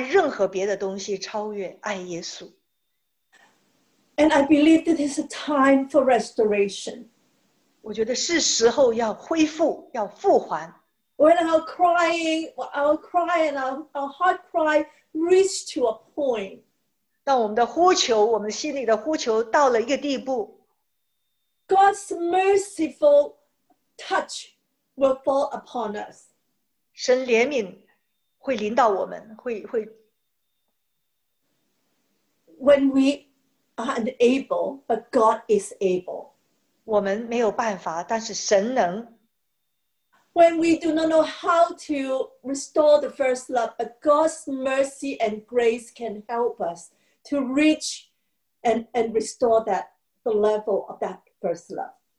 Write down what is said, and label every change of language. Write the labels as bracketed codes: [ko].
[zh] 不是说那个真正的那种盐，但是在让我里面这是渴慕主，没有爱任何别的东西超越爱耶稣。 [en] And I believe that it's a time for restoration. [zh] 我觉得是时候要恢复，要复还。 [en] When our crying, our cry and our heart cry reach to a point. [zh] 当我们的呼求，我们心里的呼求到了一个地步。 [en] God's merciful touch will fall upon us. [zh] 神怜悯会临到我们，会。 [en] When we are unable, but God is able. [zh] 我们没有办法，但是神能。 [en] When we do not know how to restore the first love, but God's mercy and grace can help us to reach and restore that the level of that first love.